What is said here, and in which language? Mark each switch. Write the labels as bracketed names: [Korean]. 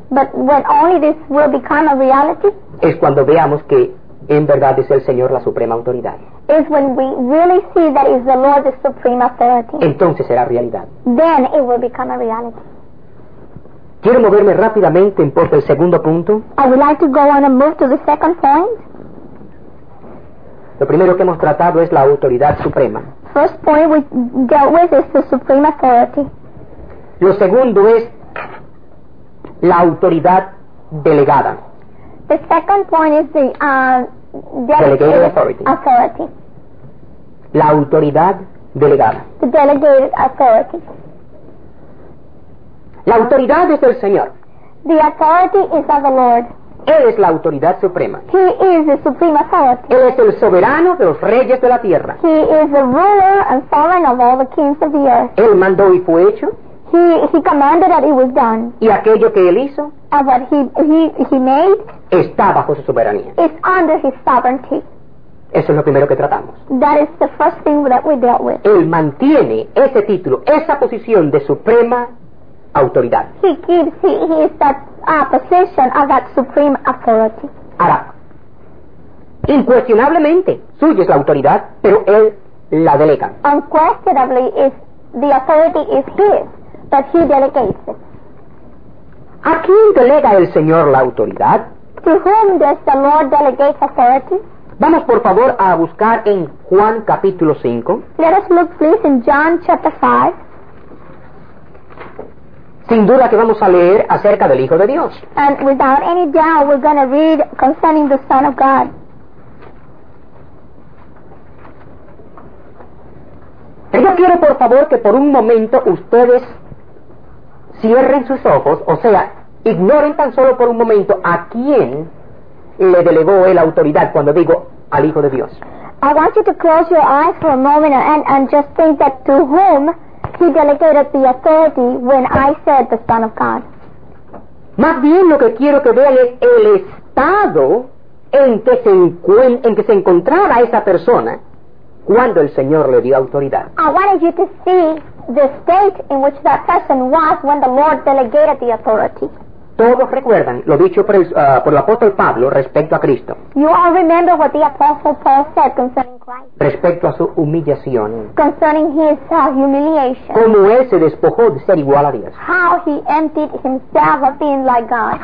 [English] But when only this will become a reality. [Spanish] Es cuando veamos que en verdad es el Señor la suprema autoridad. [English] Is when we really see that is the Lord the supreme authority. [Spanish] Entonces será realidad. [English] Then it will become a reality. [Spanish] Quiero moverme rápidamente por el segundo punto. [English] I would like to go on and move to the second point. [Spanish] Lo primero que hemos tratado es la autoridad suprema. [English] First point we dealt with is the supreme authority. [Spanish] Lo segundo es la autoridad delegada. [English] The second point is the delegated authority. [Spanish] La autoridad delegada. [English] The delegated authority. [Spanish] La autoridad es del Señor. [English] The authority is of the Lord. [Spanish] Él es la autoridad suprema. [English] He is the supreme authority. [Spanish] Él es el soberano de los reyes de la tierra. [English] He is the ruler and sovereign of all the kings of the earth. [Spanish] Él mandó y fue hecho. [English] He commanded and it was done. [Spanish] Y aquello que él hizo. [English] And what he made. [Spanish] Está bajo su soberanía. [English] Is under his sovereignty. [Spanish] Eso es lo primero que tratamos. [English] That is the first thing that we dealt with. [Spanish] Él mantiene ese título, esa posición de suprema autoridad. [English] He is that position of that supreme authority. [Spanish] Ahora, incuestionablemente, suya es la autoridad, pero él la delega. [English] Unquestionably, it's the authority is his, but he delegates it. [Spanish] ¿A quién delega el Señor la autoridad? [English] To whom does the Lord delegate authority? [Spanish] Vamos, por favor, a buscar en Juan capítulo 5. [English] Let us look, please, in John chapter 5. [Spanish] Sin duda que vamos a leer acerca del Hijo de Dios. [English] And without any doubt, we're going to read concerning the Son of God. [Spanish] Yo quiero, por favor, que por un momento ustedes cierren sus ojos, o sea, ignoren tan solo por un momento a quién le delegó él autoridad cuando digo al Hijo de Dios. [English] I want you to close your eyes for a moment and just think that to whom he delegated the authority when I said the Son of God. [Spanish] Más bien lo que quiero que vean es el estado en que se encontraba esa persona cuando el Señor le dio autoridad. [English] I wanted you to see the state in which that person was when the Lord delegated the authority. [Spanish] Todos recuerdan lo dicho por el apóstol Pablo respecto a Cristo. [English] You all remember what the apostle Paul said concerning Christ. [Spanish] Respecto a su humillación. [English] Concerning his humiliation. [Spanish] Cómo él se despojó de ser igual a Dios. [English] How he emptied himself of being like God.